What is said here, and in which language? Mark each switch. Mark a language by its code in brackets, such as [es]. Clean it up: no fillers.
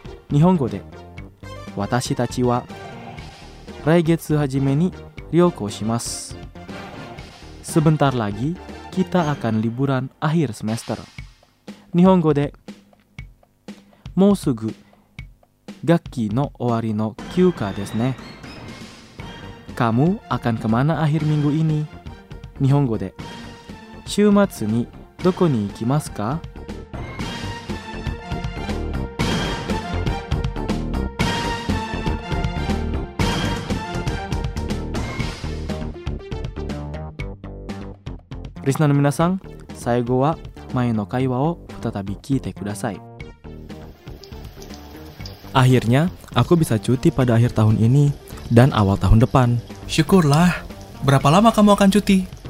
[ja] 日本語で私たちは来月初めに旅行します。 [id] Sebentar lagi kita akan liburan akhir semester。 [ja] 日本語でもうすぐ学期の終わりの休暇ですね。 [id] Kamu akan kemana akhir minggu ini? [ja] 日本語で週末にどこに行きますか？リスナーの皆さん、最後は前の会話を再び聞いてください。 [id] Akhirnya, aku bisa cuti pada akhir tahun ini dan awal tahun depan. Syukurlah. Berapa lama kamu akan cuti?